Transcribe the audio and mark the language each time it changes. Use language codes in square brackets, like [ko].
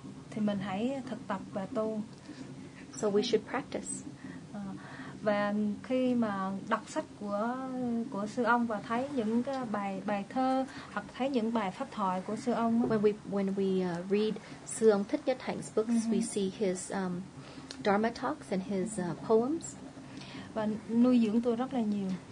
[vi] Thì mình hãy thực tập và tu. [en] So we should practice. [vi] Và khi mà đọc sách của sư ông và thấy những cái bài thơ hoặc thấy những bài pháp thoại của sư ông. [en] When we read sư ông Thích Nhất Hạnh's books, mm-hmm. we see his dharma talks and his poems. [vi] Và nuôi dưỡng tôi rất là nhiều.